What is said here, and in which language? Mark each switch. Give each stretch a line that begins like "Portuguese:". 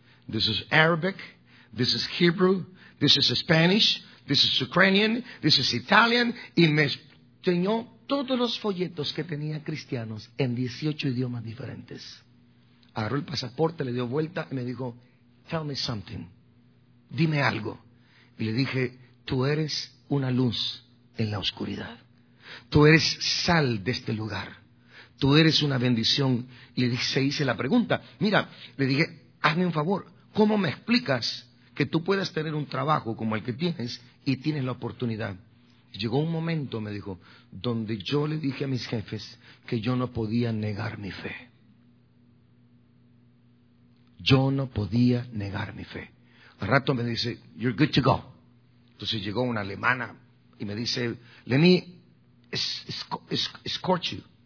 English: This is Arabic, this is Hebrew, this is Spanish, this is Ukrainian, this is Italian.
Spanish: Y me enseñó todos los folletos que tenía cristianos en 18 idiomas diferentes. Agarró el pasaporte, le dio vuelta y me dijo:
English: tell me something.
Spanish: Dime algo. Y le dije: tú eres una luz en la oscuridad. Tú eres sal de este lugar. Tú eres una bendición. Y le dije, se hice la pregunta. Mira, le dije: hazme un favor, ¿cómo me explicas que tú puedas tener un trabajo como el que tienes y tienes la oportunidad? Llegó un momento, me dijo, donde yo le dije a mis jefes que yo no podía negar mi fe. Yo no podía negar mi fe. Al rato me dice,
English: you're good to go.
Spanish: Entonces llegó una alemana y me dice, Lenny,
English: escort you.